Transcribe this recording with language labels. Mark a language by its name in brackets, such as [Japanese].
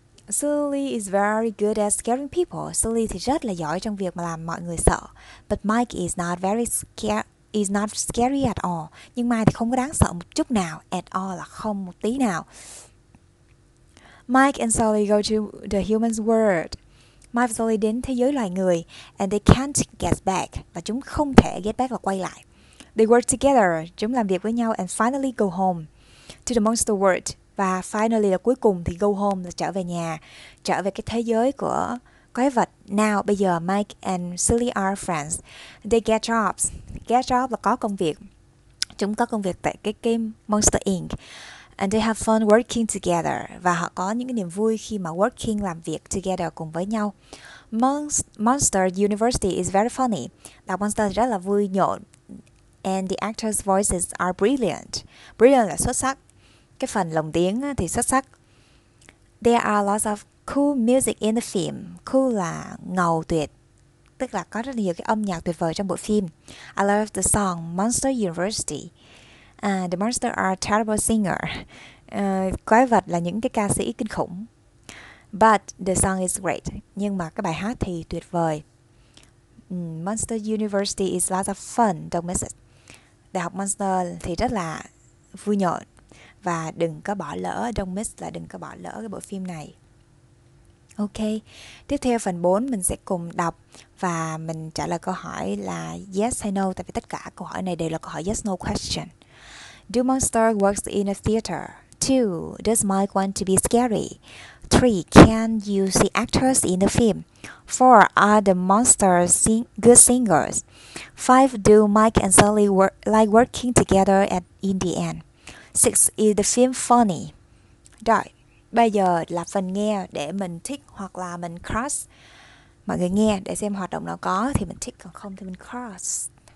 [English] Sully is very good at scaring people. [Vietnamese] Sully thì rất là giỏi trong việc mà làm mọi người sợ. [English] But Mike is not very is not scary at all. [Vietnamese] Nhưng Mike thì không có đáng sợ một chút nào. [English] At all [Vietnamese] là không một tí nào. [English] Mike and Sully go to the human's world. [Vietnamese] Mike and Sully đến thế giới loài người, [English] and they can't get back. [Vietnamese] Và chúng không thể [English] get back, [Vietnamese] là quay lại. [English] They work together. [Vietnamese] Chúng làm việc với nhau [English] and finally go home to the monster world. [Vietnamese] Và finally là cuối cùng thì [English] go home, [Vietnamese] là trở về nhà, trở về cái thế giới của quái vật. [English] Now, [Vietnamese] bây giờ [English] Mike and Sully are friends. They get jobs. Get jobs [Vietnamese] là có công việc. Chúng có công việc tại cái game Monster Inc. [English] And they have fun working together. [Vietnamese] Và họ có những cái niềm vui khi mà working, làm việc together cùng với nhau. [English] Monster University is very funny. [Vietnamese] Đọc Monster rất là vui nhộn. [English] And the actors' voices are brilliant. Brilliant [Vietnamese] là xuất sắc. Cái phần lồng tiếng thì xuất sắc. [English] There are lots of cool music in the film. [Vietnamese] Cool là ngầu tuyệt. Tức là có rất nhiều cái âm nhạc tuyệt vời trong bộ phim. [English] I love the song Monster University. The monsters are terrible singers. [Vietnamese] Quái vật là những cái ca sĩ kinh khủng. [English] But the song is great. [Vietnamese] Nhưng mà cái bài hát thì tuyệt vời. [English] Monster University is lots of fun. Don't miss it. [Vietnamese] Đại học Monster thì rất là vui nhộn. Và đừng có bỏ lỡ, [English] don't miss [Vietnamese] là đừng có bỏ lỡ cái bộ phim này. Ok, tiếp theo phần 4 mình sẽ cùng đọc và mình trả lời câu hỏi là yes hay no. Tại vì tất cả câu hỏi này đều là câu hỏi yes no question. [English] Do Monster works in a theater? 2. Does Mike want to be scary? 3. Can you see actors in the film? 4. Are the monsters good singers? 5. Do Mike and Sully like working together in the end? 6. Is the film funny? [Vietnamese] Rồi, bây giờ là phần nghe để mình tick hoặc là mình cross. Mọi người nghe để xem hoạt động nào có thì mình tick, còn không thì mình cross.